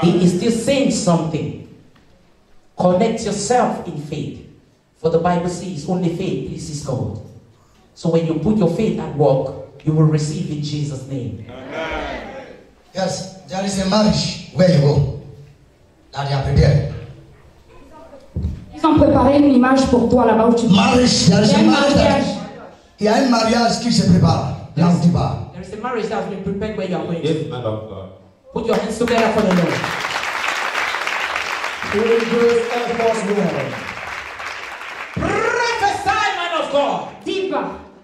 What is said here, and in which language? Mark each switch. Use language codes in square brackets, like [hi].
[en] He is still saying something. Connect yourself in faith. For the Bible says only faith pleases God. So when you put your faith at work, you will receive in Jesus' name. Amen. Yes, there is a marriage where you go. That you are prepared. [fr] Ils ont préparé une image pour toi là-bas où tu [en] vis. Marriage, there is a marriage. [fr] Il y a un mariage qui se prépare. Là où tu vas. [en] There is a marriage that has been prepared where you are going. Yes, my love. Put your hands together for the Lord. Good, good, and possible. Prophesy, man of God. Diva.